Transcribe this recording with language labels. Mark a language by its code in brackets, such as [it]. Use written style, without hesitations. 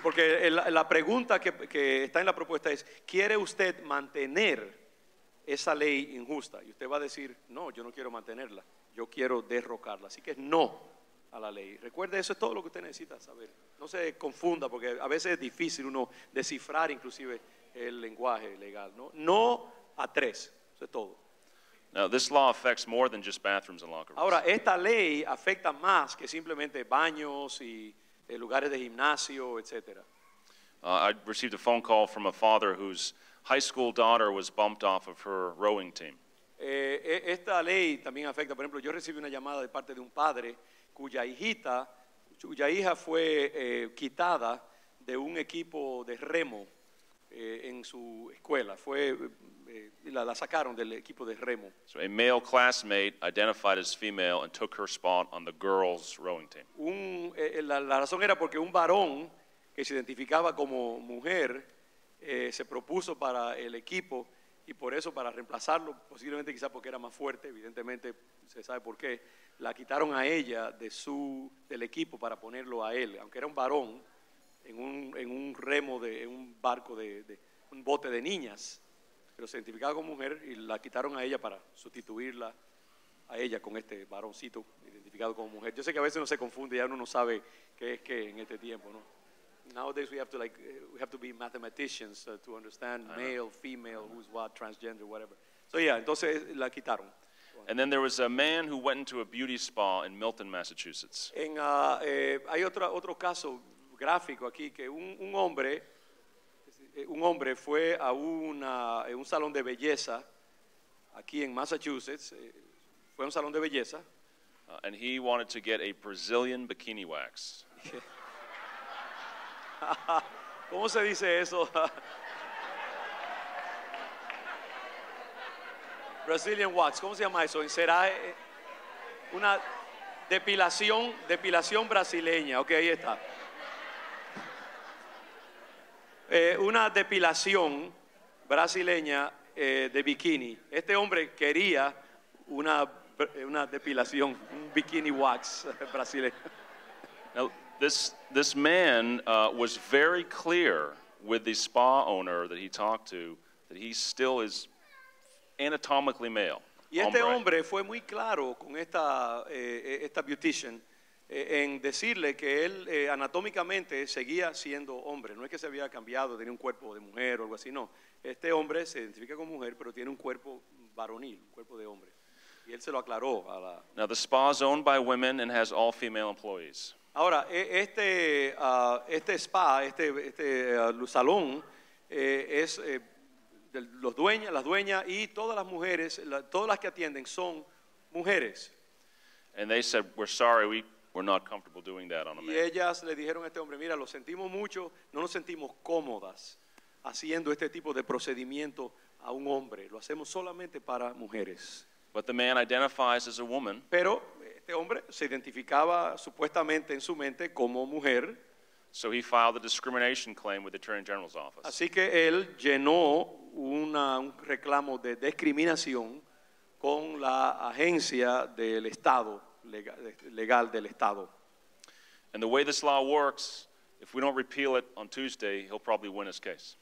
[es] porque la pregunta que está en la propuesta es: ¿quiere usted mantener esa ley injusta? Y usted va a decir: no, yo no quiero mantenerla, yo quiero derrocarla. Así que no a la ley. Recuerde, eso es todo lo que usted necesita saber. No se confunda, porque a veces es difícil uno descifrar inclusive el lenguaje legal. No, no a tres, eso es todo. [en] Now, this law affects more than just bathrooms and locker rooms. [es] Ahora, esta ley afecta más que simplemente baños y lugares de gimnasio, etcétera. [en] I received a phone call from a father whose high school daughter was bumped off of her rowing team. [es] Esta ley también afecta, por ejemplo, yo recibí una llamada de parte de un padre cuya hija fue quitada de un equipo de remo en su escuela. La sacaron del equipo de remo. [en] So a male classmate identified as female and took her spot on the girls' rowing team. [es] La razón era porque un varón que se identificaba como mujer se propuso para el equipo y por eso para reemplazarlo, posiblemente quizá porque era más fuerte, evidentemente se sabe por qué, la quitaron a ella del equipo para ponerlo a él, aunque era un varón en un bote de niñas, pero se identificaba como mujer y la quitaron a ella para sustituirla a ella con este varoncito identificado como mujer. Yo sé que a veces uno se confunde, ya uno no sabe qué es qué en este tiempo, ¿no? [en] Nowadays we have to be mathematicians to understand male, female, who's what, transgender, whatever. So yeah, [es] entonces la quitaron. [en] And then there was a man who went into a beauty spa in Milton, Massachusetts. [es] Hay otro caso gráfico aquí que un hombre fue a un salón de belleza aquí en Massachusetts. Fue a un salón de belleza. [en] And he wanted to get a Brazilian bikini wax. [es] ¿Cómo se dice eso? Brazilian wax, ¿cómo se llama eso? ¿Será una depilación brasileña? Ok, ahí está. Una depilación brasileña de bikini. Este hombre quería una depilación, un bikini wax brasileño. [en] Now, this man was very clear with the spa owner that he talked to that he still is anatomically male. [es] Y este hombre fue muy claro con esta beautician en decirle que él anatómicamente seguía siendo hombre. No es que se había cambiado, tenía un cuerpo de mujer o algo así, no. Este hombre se identifica como mujer, pero tiene un cuerpo varonil, un cuerpo de hombre. Y él se lo aclaró a la... [en] Now, the spa is owned by women and has all female employees. [es] Ahora, este salón es las dueñas y todas las mujeres, todas las que atienden son mujeres. [en] And they said, we're sorry, we're not comfortable doing that on a man. [es] Y ellas le dijeron a este hombre, mira, lo sentimos mucho, no nos sentimos cómodas haciendo este tipo de procedimiento a un hombre. Lo hacemos solamente para mujeres. [en] But the man identifies as a woman. [es] Pero este hombre se identificaba supuestamente en su mente como mujer. [en] So he filed a discrimination claim with the Attorney General's office. [es] Así que él llenó un reclamo de discriminación con la agencia del Estado, legal del Estado. [en] And the way this law works If we don't repeal it on Tuesday, he'll probably win his case.